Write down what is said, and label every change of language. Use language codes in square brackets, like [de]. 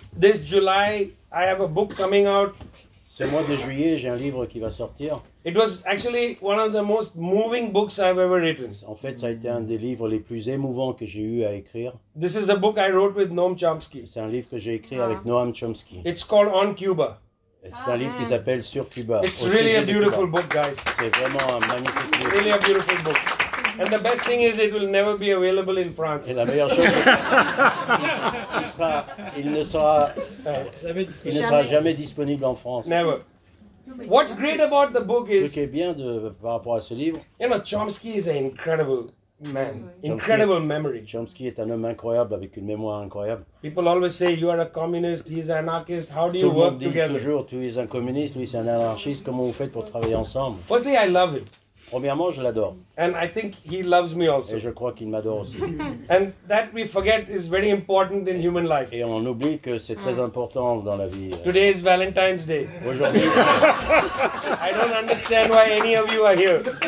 [en] This July, I have a book coming out. [fr] Ce mois de juillet, j'ai un livre qui va sortir. [en] It was actually one of the most moving books I've ever written. [fr] En fait, ça a été un des livres les plus émouvants que j'ai eu à écrire. [en] This is a book I wrote with Noam Chomsky. [fr] C'est un livre que j'ai écrit avec Noam Chomsky. [en] It's called On Cuba. [fr] C'est un livre qui s'appelle Sur Cuba. [en] It's really a beautiful book, guys. [fr] C'est vraiment un magnifique livre. [en] It's really a beautiful book. And the best thing is, it will never be available in France. [fr] Et la meilleure chose, il ne sera jamais disponible en France. [en] Never. What's great about the book is. [fr] Ce qui est bien de par rapport à ce livre. [en] You know, Chomsky is an incredible man. Incredible memory. [fr] Chomsky est un homme incroyable avec une mémoire incroyable. [en] People always say you are a communist, he is an anarchist. How do you work together? [fr] Tout le monde dit toujours, tu es un communiste, lui c'est un anarchiste. Comment vous faites pour travailler ensemble? [en] Firstly, I love him. [fr] Premièrement, je l'adore. [en] And I think he loves me also. [fr] Et je crois qu'il m'adore aussi. [en] And that we forget is very important in human life. [fr] Et on oublie que c'est très important dans la vie. [en] Today is Valentine's Day. [fr] Aujourd'hui. [en] I don't understand why any of you are here.